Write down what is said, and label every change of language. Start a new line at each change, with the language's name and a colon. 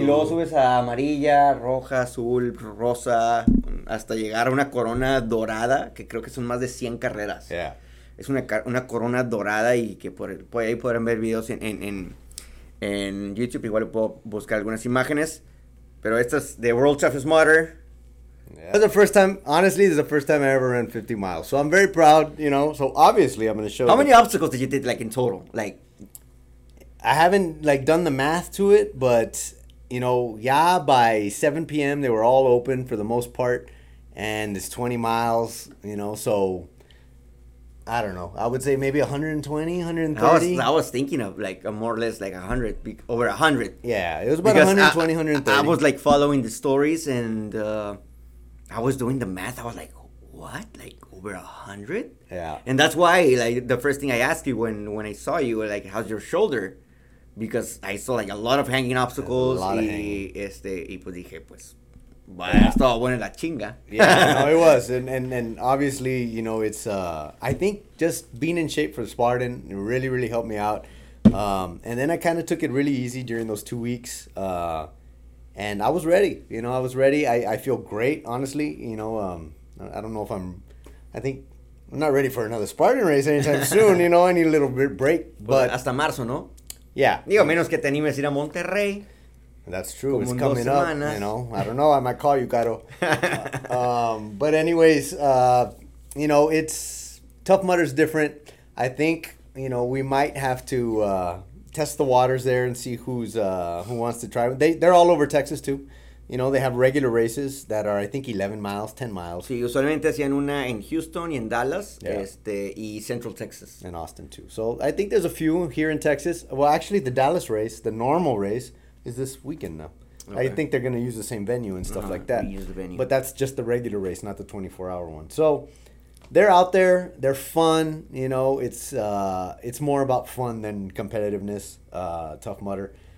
Spanish: Y luego subes a amarilla, roja, azul, rosa, hasta llegar a una corona dorada, que creo que son más de 100 carreras.
English: Yeah.
Spanish: Es una corona dorada y que por ahí podrán ver videos en YouTube. Igual puedo buscar algunas imágenes. Pero esta es The World Toughest Mudder.
English: Yeah. This is the first time, honestly, this is the first time I ever ran 50 miles. So I'm very proud, you know. So obviously I'm going to show you. How many obstacles did you did like in total? Like, I haven't like done the math to it, but, you know, yeah, by 7 p.m. they were all open for the most part. And it's 20 miles, you know, so... I don't know. I would say maybe 120, 130. I was thinking of like a more or less like 100, over 100. Yeah, it was about because 120, 130. I was like following the stories and I was doing the math. I was like, what? Like over 100? Yeah. And that's why like the first thing I asked you when I saw you, like, how's your shoulder? because I saw like a lot of hanging obstacles. A lot of hanging.
Spanish: Y pues dije, pues, bueno, estaba buena la chinga.
English: Yeah, no, it was. And obviously, you know, it's, I think just being in shape for Spartan really, really helped me out. And then I kind of took it really easy during those 2 weeks. And I was ready. You know, I was ready. I feel great, honestly. You know, I don't know if I'm, I think, I'm not ready for another Spartan race anytime soon. You know, I need a little bit break. But
Spanish: hasta marzo, ¿no?
English: Yeah.
Spanish: Digo, menos que te animes ir a Monterrey.
English: That's true. It's coming up. Semanas. You know, I don't know. I might call you, Caro. But anyways, you know, it's Tough Mudder's different. I think, you know, we might have to test the waters there and see who's who wants to try. They're all over Texas too. You know, they have regular races that are, I think, 11 miles, 10 miles.
Spanish: Sí, usualmente hacían una en Houston y en Dallas, yeah. Y Central Texas.
English: And Austin, too. So, I think there's a few here in Texas. Well, actually, the Dallas race, the normal race, is this weekend now. Okay. I think they're going to use the same venue and stuff like that. We use the venue. But that's just the regular race, not the 24-hour one. So, they're out there. They're fun. You know, it's more about fun than competitiveness, Tough Mudder.